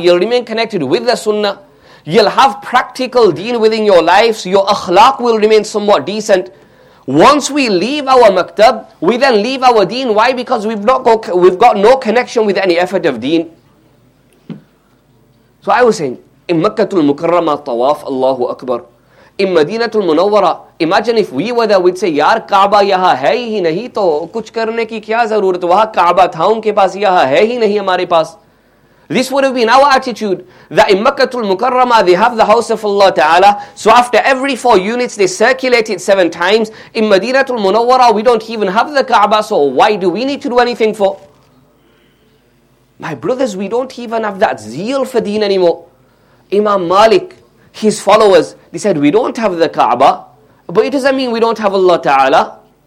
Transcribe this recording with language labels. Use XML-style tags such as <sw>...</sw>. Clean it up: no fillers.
<en>You'll remain connected with the sunnah. You'll have practical deen within your lives. Your akhlaq will remain somewhat decent. Once we leave our maktab, we then leave our deen. Why? Because we've got no connection with any effort of deen. So I was saying, in Makkatul Mukarrama Tawaf, Allahu Akbar. In Madinatul Munawwara, imagine if we were there, we'd say,</en> <ur>یار کعبہ یہاں ہے ہی نہیں تو کچھ کرنے کی کیا ضرورت؟ وہاں کعبہ تھا ان کے پاس یہاں ہے ہی نہیں ہمارے پاس۔</ur> <en>This would have been our attitude, that in Makkatul Mukarrama, they have the house of Allah Ta'ala, so after every 4 units, they circulate it 7 times. In Madinatul Munawwara, we don't even have the Kaaba, so why do we need to do anything for? My brothers, we don't even have that zeal for deen anymore. Imam Malik, his followers, they said, we don't have the Kaaba, but it doesn't mean we don't have Allah Ta'ala.</en>